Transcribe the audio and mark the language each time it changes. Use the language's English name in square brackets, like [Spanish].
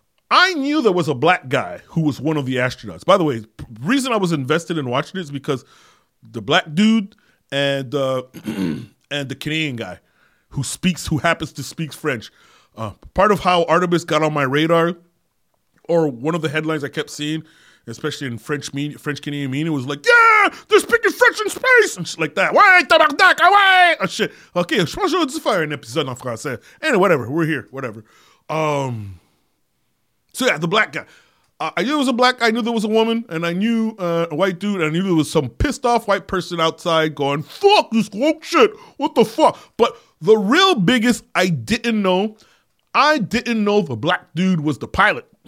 [English] I knew there was a black guy who was one of the astronauts. By the way, the reason I was invested in watching it is because the black dude and the Canadian guy who happens to speak French. Part of how Artemis got on my radar, or one of the headlines I kept seeing, especially in French Canadian media, was like, yeah, they're speaking French in space! And shit like that. [French] Ouais, tabarnak, ouais! [English] Oh, shit. [French] Okay, je pense que c'est faire un épisode en français. [English] Anyway, whatever, we're here, whatever. So yeah, the black guy. I knew it was a black guy, I knew there was a woman, and I knew a white dude, and I knew there was some pissed off white person outside going, fuck this woke shit, what the fuck? But the real biggest I didn't know the black dude was the pilot.